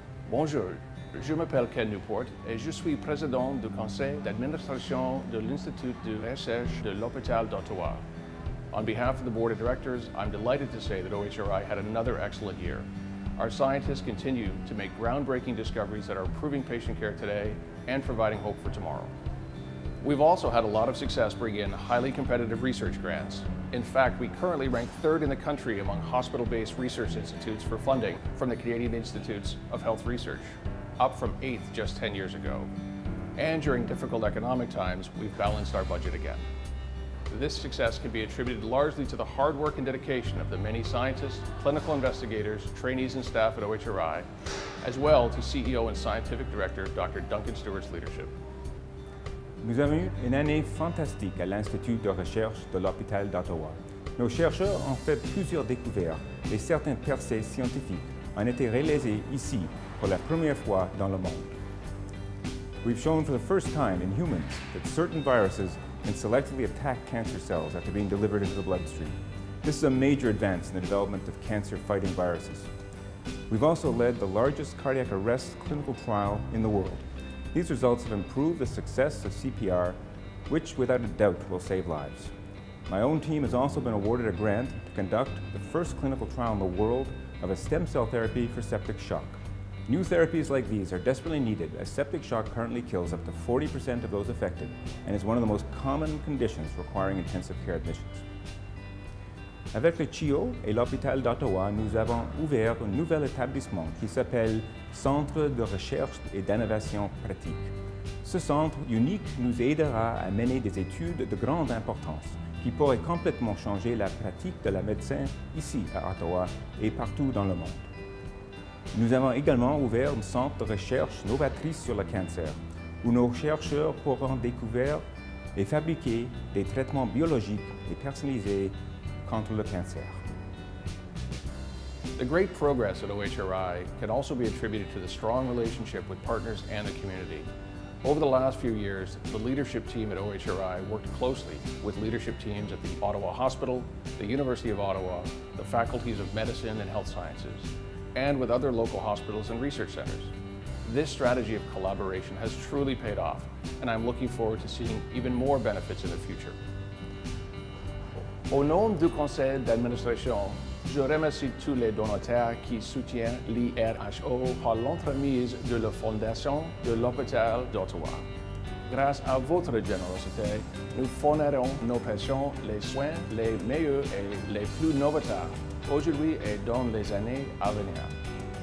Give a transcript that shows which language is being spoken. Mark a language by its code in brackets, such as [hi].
[fr] Bonjour, je m'appelle Ken Newport et je suis président du conseil d'administration de l'Institut de recherche de l'Hôpital d'Ottawa. [en] On behalf of the board of directors, I'm delighted to say that OHRI had another excellent year. Our scientists continue to make groundbreaking discoveries that are improving patient care today and providing hope for tomorrow. We've also had a lot of success bringing in highly competitive research grants. In fact, we currently rank third in the country among hospital-based research institutes for funding from the Canadian Institutes of Health Research, up from eighth just 10 years ago. And during difficult economic times, we've balanced our budget again. This success can be attributed largely to the hard work and dedication of the many scientists, clinical investigators, trainees and staff at OHRI, as well to CEO and Scientific Director, Dr. Duncan Stewart's leadership. [fr] Nous avons eu une année fantastique à l'Institut de recherche de l'Hôpital d'Ottawa. Nos chercheurs ont fait plusieurs découvertes et certaines percées scientifiques ont été réalisées ici pour la première fois dans le monde. [en] We've shown for the first time in humans that certain viruses can selectively attack cancer cells after being delivered into the bloodstream. This is a major advance in the development of cancer-fighting viruses. We've also led the largest cardiac arrest clinical trial in the world. These results have improved the success of CPR, which without a doubt will save lives. My own team has also been awarded a grant to conduct the first clinical trial in the world of a stem cell therapy for septic shock. New therapies like these are desperately needed as septic shock currently kills up to 40% of those affected and is one of the most common conditions requiring intensive care admissions. [fr] Avec le CHIO et l'Hôpital d'Ottawa, nous avons ouvert un nouvel établissement qui s'appelle Centre de recherche et d'innovation pratique. Ce centre unique nous aidera à mener des études de grande importance qui pourraient complètement changer la pratique de la médecine ici à Ottawa et partout dans le monde. Nous avons également ouvert un centre de recherche novatrice sur le cancer où nos chercheurs pourront découvrir et fabriquer des traitements biologiques et personnalisés contre le cancer. [en] The great progress at OHRI can also be attributed to the strong relationship with partners and the community. Over the last few years, the leadership team at OHRI worked closely with leadership teams at the Ottawa Hospital, the University of Ottawa, the faculties of medicine and health sciences, and with other local hospitals and research centers. This strategy of collaboration has truly paid off, and I'm looking forward to seeing even more benefits in the future. [fr] Au nom du conseil d'administration, je remercie tous les donateurs qui soutiennent l'IRHO par l'entremise de la Fondation de l'Hôpital d'Ottawa. Grâce à votre générosité, nous fournirons nos patients les soins les meilleurs et les plus novateurs aujourd'hui et dans les années à venir.